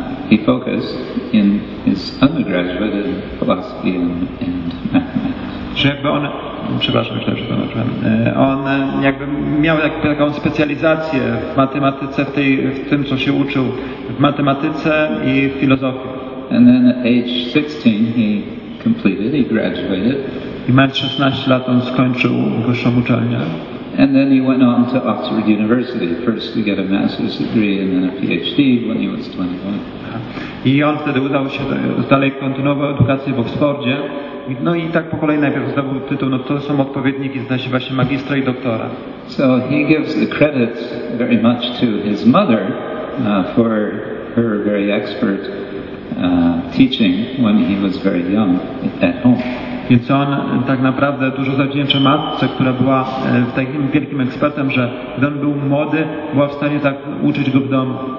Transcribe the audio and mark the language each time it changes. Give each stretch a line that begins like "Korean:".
English: He focused in his undergraduate in philosophy and mathematics.
Polish: Czy jakby on... Przepraszam, myślę, że tłumaczyłem. On jakby miał taką specjalizację w matematyce, w tym, co się uczył, w matematyce i w filozofii.
English: And then at age 16 he completed, he graduated.
Polish: I mając 16 lat on skończył wyższą uczelnię.
English: And then he went on to Oxford University, first to get a master's degree and then a PhD when he was 21.
Polish: I on wtedy udał się dalej kontynuował edukację w Oxfordzie. No i tak po kolei najpierw zdobył tytuł, no to są odpowiedniki, zna się właśnie magistra i doktora.
English: So he gives the credit very much to his mother for her very expert teaching when he was very young at home.
Polish: Więc on tak naprawdę dużo zawdzięcza matce, która była takim wielkim ekspertem, że gdy on był młody, była w stanie tak uczyć go w domu.